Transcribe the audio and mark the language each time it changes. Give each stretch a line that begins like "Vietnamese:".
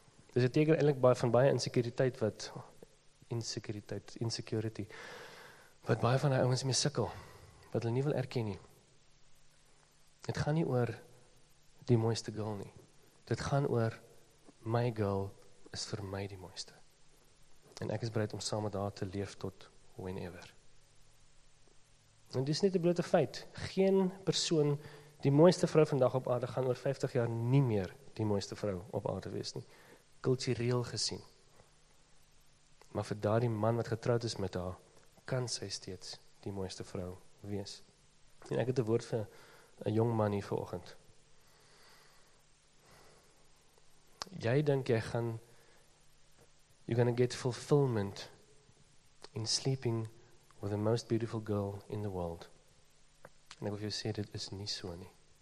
Afrikaans: Dit is een teken eintlik baie van baie insekuriteit wat insecurity wat baie van die ouens mee sukkel, wat hulle nie wil erken nie. Dit gaan nie oor die mooiste girl nie. Dit gaan oor my girl is vir my die mooiste. En ek is bereid om saam met haar te leef tot whenever. En dit is net 'n blote feit. Geen persoon, die mooiste vrou vandag op aarde, gaan oor 50 jaar nie meer die mooiste vrou op aarde wees nie. Kultureel gesien. Maar vir daardie man wat getroud is met haar, kan sy steeds die mooiste vrou wees. En ek het 'n woord vir 'n jong man hier vanoggend. Jy dink jy gaan...
English: You're going to get fulfillment in sleeping with the most beautiful girl in the world.
Afrikaans: En ek wil jou sê, dit is nie so nie.